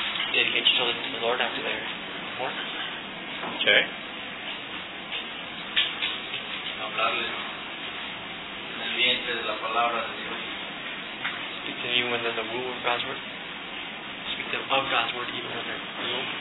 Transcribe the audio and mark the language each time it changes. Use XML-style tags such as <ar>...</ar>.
<en>Dedicate your children to the Lord after their work. Okay.</en> <es>Hablarles en el vientre de la palabra de Dios.</es> <en>Speak to them in the womb of God's word. Speak perspective of God's word, even when they're little.</en>